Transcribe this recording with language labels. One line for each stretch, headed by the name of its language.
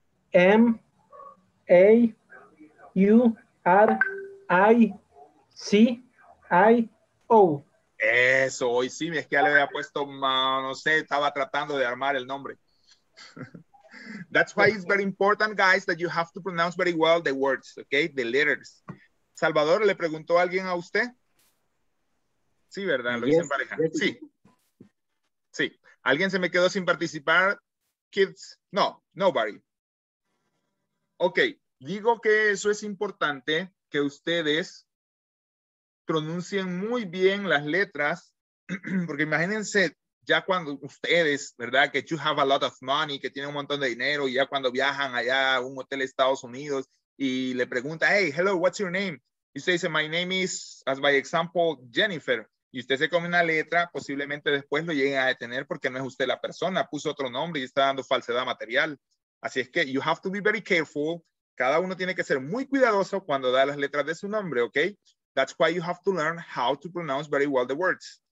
Spanish: M-A-U-R-I-C-O. C-I-O. Eso, hoy sí, es que ya le había puesto, no sé, estaba tratando de armar el nombre.
English: That's why it's very important, guys, that you have to pronounce very well the words, okay? The letters.
Spanish: Salvador, ¿le preguntó alguien a usted? Sí, ¿verdad? Lo hice en pareja. Sí. Sí. ¿Alguien se me quedó sin participar? Kids.
English: No, nobody.
Spanish: Ok. Digo que eso es importante, que ustedes pronuncien muy bien las letras, porque imagínense, ya cuando ustedes, ¿verdad? Que
English: you have a lot of money,
Spanish: que tienen un montón de dinero, y ya cuando viajan allá a un hotel de Estados Unidos y le pregunta,
English: hey, hello, what's your name?
Spanish: Y usted dice,
English: my name is, as by example, Jennifer.
Spanish: Y usted se come una letra, posiblemente después lo lleguen a detener porque no es usted la persona, puso otro nombre y está dando falsedad material. Así es que
English: you have to be very careful.
Spanish: Cada uno tiene que ser muy cuidadoso cuando da las letras de su nombre, ¿ok?
English: That's why you have to learn how to pronounce very well the words.